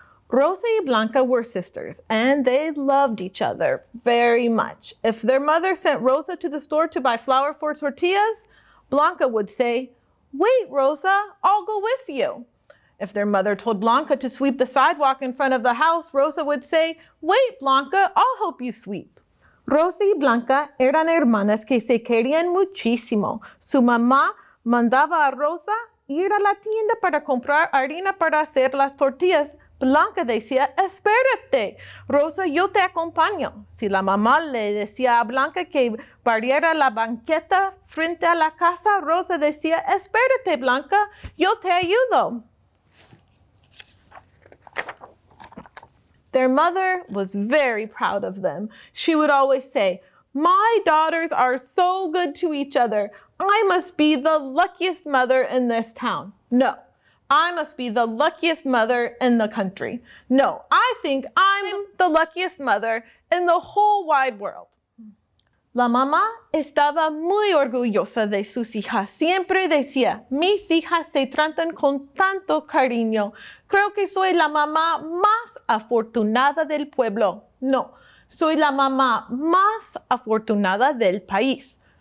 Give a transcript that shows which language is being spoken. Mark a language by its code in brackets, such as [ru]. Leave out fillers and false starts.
[en] Rosa y Blanca were sisters, and they loved each other very much. If their mother sent Rosa to the store to buy flour for tortillas, Blanca would say, "Wait, Rosa, I'll go with you." If their mother told Blanca to sweep the sidewalk in front of the house, Rosa would say, "Wait, Blanca, I'll help you sweep." [es] Rosa y Blanca eran hermanas que se querían muchísimo. Su mamá mandaba a Rosa ir a la tienda para comprar harina para hacer las tortillas. Blanca decía, espérate, Rosa, yo te acompaño. Si la mamá le decía a Blanca que barriera la banqueta frente a la casa, Rosa decía, espérate, Blanca, yo te ayudo. [en] Their mother was very proud of them. She would always say, my daughters are so good to each other. I must be the luckiest mother in this town. No. I must be the luckiest mother in the country. No, I think I'm the luckiest mother in the whole wide world. [es] La mamá estaba muy orgullosa de sus hijas. Siempre decía, mis hijas se tratan con tanto cariño. Creo que soy la mamá más afortunada del pueblo. No, soy la mamá más afortunada del país.